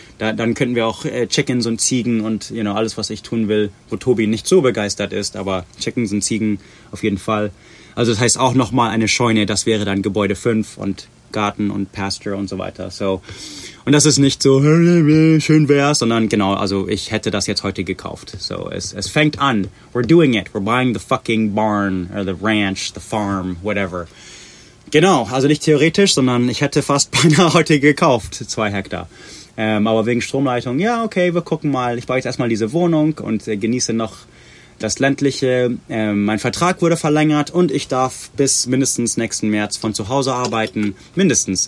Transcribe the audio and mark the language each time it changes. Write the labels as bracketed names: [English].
[German] Dann könnten wir auch Chickens und Ziegen und alles, was ich tun will, wo Tobi nicht so begeistert ist, aber Chickens und Ziegen auf jeden Fall. Also das heißt auch nochmal eine Scheune, das wäre dann Gebäude 5 und Garten und Pasture und so weiter. So, und das ist nicht so, schön wär's, sondern genau, also ich hätte das jetzt heute gekauft. So, es fängt an. [English] We're doing it. We're buying the fucking barn or the ranch, the farm, whatever. [German] Genau, also nicht theoretisch, sondern ich hätte fast beinahe heute gekauft, 2 Hektar. Aber wegen Stromleitung, ja, okay, wir gucken mal. Ich baue jetzt erstmal diese Wohnung und genieße noch das Ländliche. Mein Vertrag wurde verlängert und ich darf bis mindestens nächsten März von zu Hause arbeiten. Mindestens.